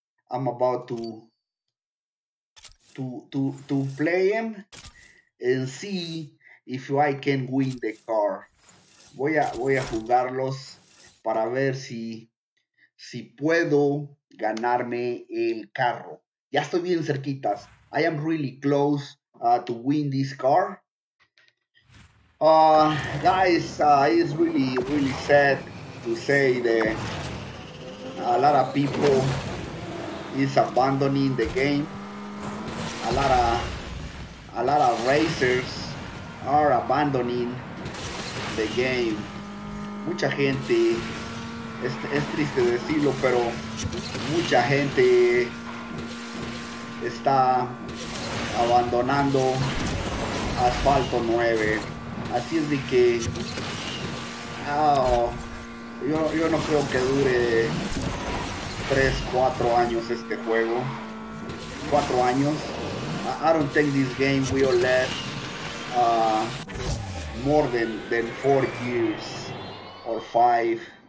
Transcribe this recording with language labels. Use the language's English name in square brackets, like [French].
[English] I'm about to play them and see if I can win the car. [Spanish] Voy a jugarlos para ver si puedo ganarme el carro. Ya estoy bien cerquitas. [English] I am really close to win this car. Guys, it's really, really sad to say that a lot of people is abandoning the game. A lot of racers are abandoning the game. [Spanish] Mucha gente, es triste decirlo, pero mucha gente está abandonando Asfalto 9. Así es de que yo no creo que dure 3, 4 años este juego. 4 años. [English] I don't think this game will last more than 4 years or 5.